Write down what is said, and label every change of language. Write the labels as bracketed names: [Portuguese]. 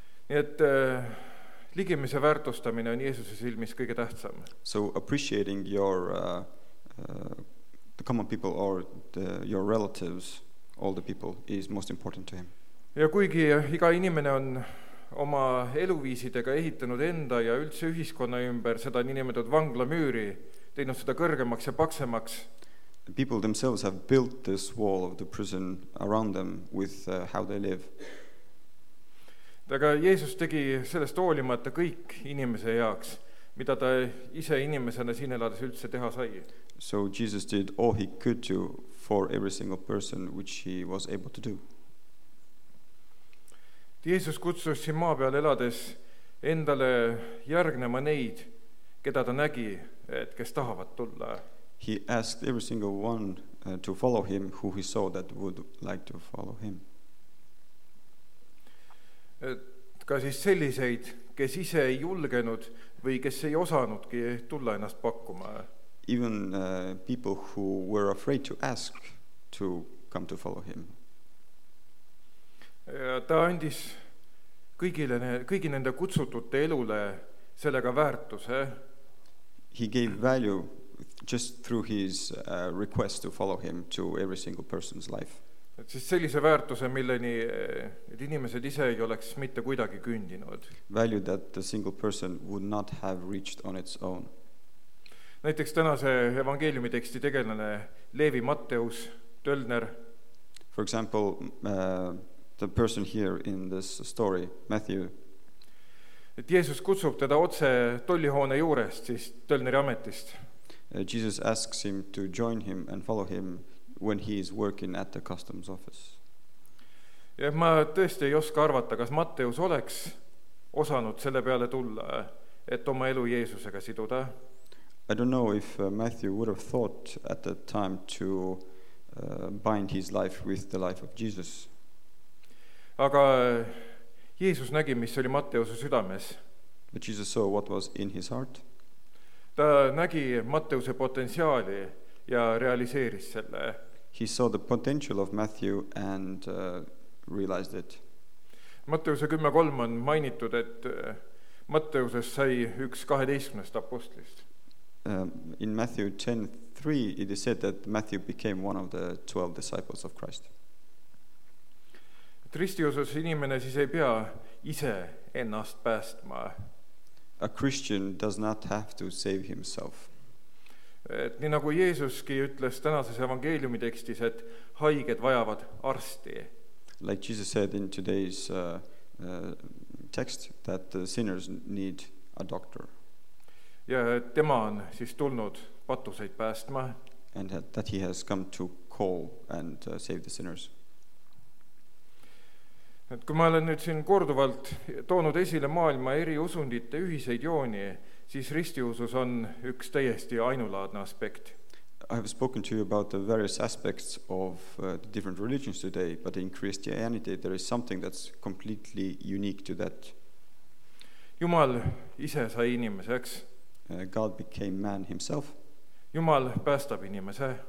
[Estonian] Nii et ligimise väärtustamine on Jeesuse silmis kõige tähtsam. [English] So appreciating your the common people or your relatives, all the people, is most important to him. [Estonian] Ja kuigi iga inimene on oma eluviisidega ehitanud enda ja üldse ühiskonna ümber seda niinimetud vanglamüüri, teinud seda kõrgemaks ja paksemaks. [English] People themselves have built this wall of the prison around them with how they live. [Estonian] Aga Jeesus tegi sellest hoolimata kõik inimese heaks, mida ta ise inimesena siin elades üldse teha sai. [English] So Jesus did all he could do for every single person which he was able to do. [Estonian] Jeesus kutsus siin maa peal elades endale järgnema neid, keda ta nägi, et kes tahavad tulla. [English] He asked every single one to follow him who he saw that would like to follow him. [Estonian] Et ka siis selliseid, kes ise ei julgenud või kes ei osanudki tulla ennast pakkuma. [English] Even people who were afraid to ask to come to follow him. [Estonian] Ja ta andis kõigi nende kutsutute elule sellega väärtuse. [English] He gave value just through his request to follow him to every single person's life. [Estonian] Et siis sellise väärtuse, milleni et inimesed ise ei oleks mitte kuidagi kündinud. [English] Value that a single person would not have reached on its own. [Estonian] Näiteks tänase evangeeliumi teksti tegelane Leevi Matteus Tölner. [English] For example, the person here in this story, Matthew. [Estonian] Et Jeesus kutsub teda otse tollihoone juurest, siis Tölneri ametist. [English] Jesus asks him to join him and follow him when he is working at the customs office. [Estonian] Ja ma tõesti ei oska arvata, kas Matteus oleks osanud selle peale tulla, et oma elu Jeesusega siduda. [English] I don't know if Matthew would have thought at that time to bind his life with the life of Jesus. [Estonian] Aga Jeesus nägi, mis oli Matteuse südames. [English] But Jesus saw what was in his heart. [Estonian] Ta nägi Matteuse potentsiaali ja realiseeris selle. [English] He saw the potential of Matthew and realized it. [Estonian] Matteuse 10:3 on mainitud, et Matteuses sai üks 12 apostlist. [English] In Matthew 10:3 it is said that Matthew became one of the 12 disciples of Christ. [Estonian] Ristiusus inimene siis ei pea ise ennast päästma. [English] A Christian does not have to save himself. [Estonian] Et nii nagu Jeesuski ütles tänases evangeeliumi tekstis, et haiged vajavad arsti. [English] Like Jesus said in today's text that the sinners need a doctor. [Estonian] Ja tema on siis tulnud patuseid päästma. [English] And that he has come to call and save the sinners. [Estonian] Et kui ma olen nüüd siin korduvalt toonud esile maailma eri usundite ühiseid jooni, siis ristiusus on üks täiesti ainulaadne aspekt. [English] I have spoken to you about the various aspects of the different religions today, but in Christianity there is something that's completely unique to that. [Estonian] Jumal ise sai inimeseks. [English] God became man himself. [Estonian] Jumal päästab inimese.